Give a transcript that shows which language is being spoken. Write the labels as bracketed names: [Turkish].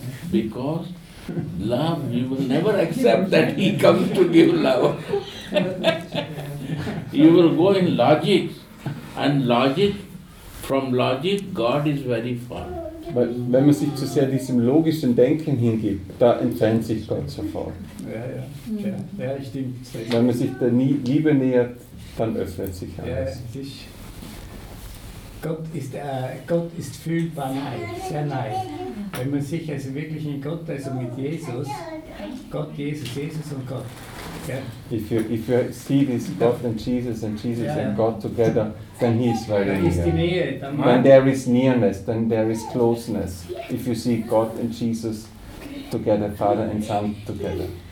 [English] Because love, you will never accept that he comes to give love. You will go in logic, and logic, from logic, God is very far. [German] Weil wenn man sich zu sehr diesem logischen Denken hingibt, da entfernt sich Gott sofort. Ja, stimmt. Wenn man sich der Liebe nähert, dann öffnet sich alles. Ja, Gott ist fühlbar nahe, sehr nahe. Wenn man sich also wirklich in Gott, also mit Jesus, Gott, Jesus und Gott. [English] Yeah. If you see this God and Jesus and Jesus and God together, then he is very near. When there is nearness, then there is closeness. If you see God and Jesus together, Father and Son together.